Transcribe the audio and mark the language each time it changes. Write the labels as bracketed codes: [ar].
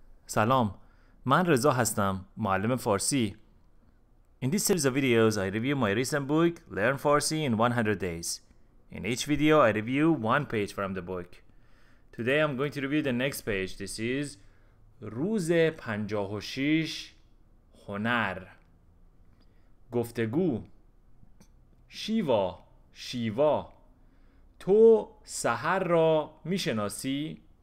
[fa] سلام، من رضا هستم، معلم فارسی. [en] In this series of videos, I review my recent book, Learn Farsi in 100 Days. In each video, I review one page from the book. Today, I'm going to review the next page. This is [fa] روز 56 هنر گفتگو شیوا شیوا تو سحر را میشناسی؟